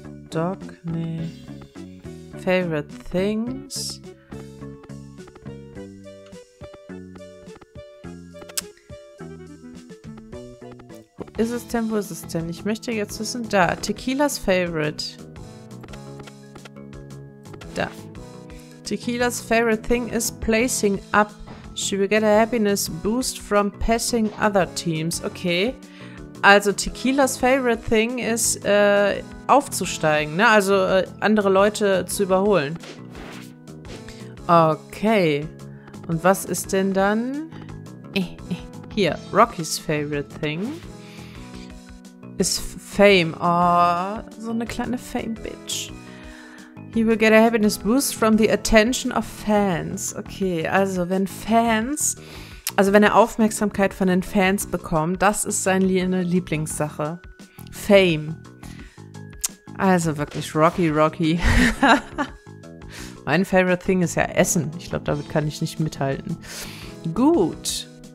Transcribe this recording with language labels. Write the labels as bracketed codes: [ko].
[en] Dog, nee. Favorite things. [de] Ist es denn, wo ist es denn? Ich möchte jetzt wissen, da, Tequilas Favorite. Da. [en] Tequilas favorite thing is placing up. She will get a happiness boost from passing other teams. Okay. [de] Also Tequilas [en] favorite thing [de] ist aufzusteigen, ne? Also andere Leute zu überholen. Okay. Und was ist denn dann? Hier, Rockys [en] favorite thing [de] ist Fame. Oh, so eine kleine Fame-Bitch. [en] He will get a happiness boost from the attention of fans. [de] Okay, also wenn Fans... Also wenn er Aufmerksamkeit von den Fans bekommt, das ist seine Lieblingssache. Fame. Also wirklich Rocky, Rocky. Mein [en] favorite thing [de] ist ja Essen. Ich glaube, damit kann ich nicht mithalten. Gut.